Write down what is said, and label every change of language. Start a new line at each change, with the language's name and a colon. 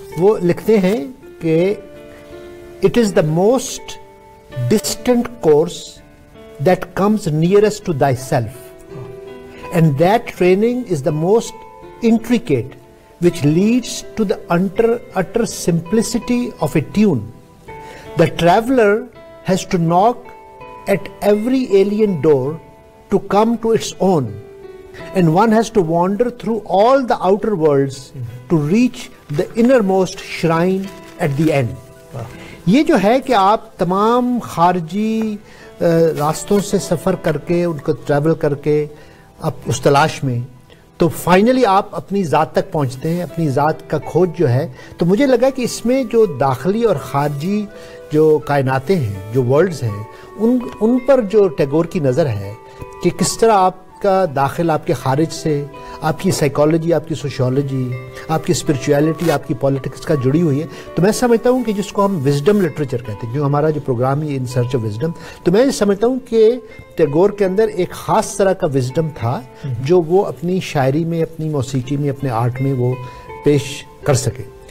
English: وہ لکھتے ہیں کہ it is the most distant course that comes nearest to thyself and that training is the most intricate which leads to the utter simplicity of a tune. The traveler has to knock at every alien door to come to its own, and one has to wander through all the outer worlds to reach the innermost shrine at the end.
Urdu: ye jo hai ki aap tamam kharji raston se safar karke unko travel karke ab us talash mein تو finally آپ اپنی ذات تک پہنچتے ہیں, اپنی ذات کا کھوج جو ہے. تو مجھے لگا کہ اس میں جو داخلی اور خارجی جو کائناتیں ہیں, جو ورلڈز ہیں, ان پر جو ٹیگور کی نظر ہے کہ کس طرح آپ کا داخل آپ کے خارج سے, آپ کی سائیکالوجی, آپ کی سوشیولوجی, آپ کی اسپرچویلٹی, آپ کی پولیٹکس کا جڑی ہوئی ہے, تو میں سمجھتا ہوں کہ جس کو ہم وزڈم لٹریچر کہتے ہیں, جو ہمارا جو programme he in search of wisdom, تو میں سمجھتا ہوں کہ ٹیگور کے اندر ایک خاص طرح کا وزڈم تھا جو وہ اپنی شاعری میں, اپنی موسیقی میں, اپنے آرٹ میں وہ پیش کر سکے.